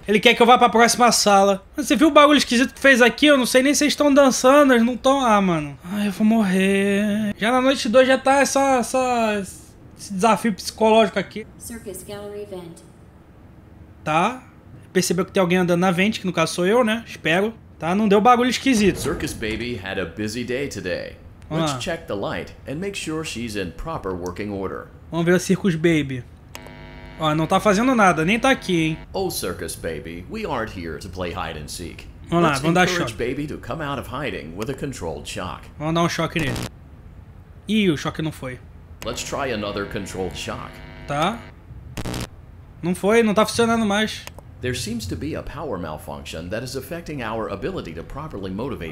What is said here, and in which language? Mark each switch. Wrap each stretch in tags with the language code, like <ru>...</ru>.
<pt>Ele quer que eu vá pra próxima sala. Mas você viu o barulho esquisito que fez aqui? Eu não sei nem se eles estão dançando, eles não estão lá, mano. Ai, eu vou morrer. Já na noite 2 já tá esse desafio psicológico aqui.</pt> <en>Circus Gallery Vent.</en> <pt>Tá. Percebeu que tem alguém andando na vente, que no caso sou eu, né? Espero. Tá, não deu bagulho esquisito.</pt> <en>Circus Baby had a busy day today. Let's check the light and make sure she's in proper working order.</en> <pt>Vamos ver o Circus Baby. Ó, não tá fazendo nada, nem tá aqui, hein?</pt> <en>Oh, Circus Baby, we aren't here to play hide and seek.</en> <pt>Vamos lá, vamos dar choque.</pt> <en>Baby to come out of hiding with a controlled shock.</en> <pt>Vamos dar um choque nele. Ih, o choque não foi.</pt> <en>Let's try another controlled shock.</en> <pt>Tá. Não foi, não tá funcionando mais.</pt> <en>There seems to be a power malfunction that is affecting our ability to properly motivate.</en>